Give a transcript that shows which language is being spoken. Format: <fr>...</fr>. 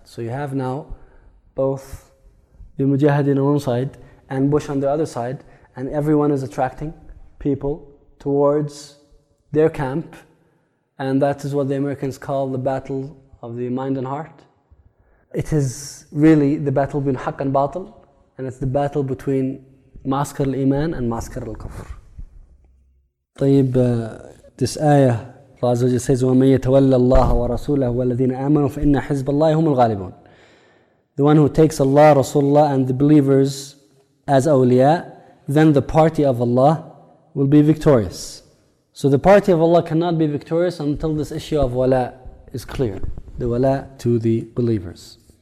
<en>So you have now both the mujahideen on one side and Bush on the other side, and everyone is attracting people towards their camp, and that is what the Americans call the battle of the mind and heart. It is really the battle between haqq and batil, and it's the battle between maskar al-iman and maskar al-kufr.</en> <ar>طيب,</ar> <en>this ayah,</en> <ar>Allah Azza wa Jalla</ar> <en>says,</en> <ar>وَمَنْ يَتَوَلَّ اللَّهَ وَرَسُولَهُ وَالَّذِينَ آمَنُوا فَإِنَّ حِزْبَ اللَّهِ هُمُ الْغَالِبُونَ.</ar> <en>The one who takes Allah, Rasulullah, and the believers as awliya, then the party of Allah will be victorious. So the party of Allah cannot be victorious until this issue of wala is clear, the wala to the believers.</en>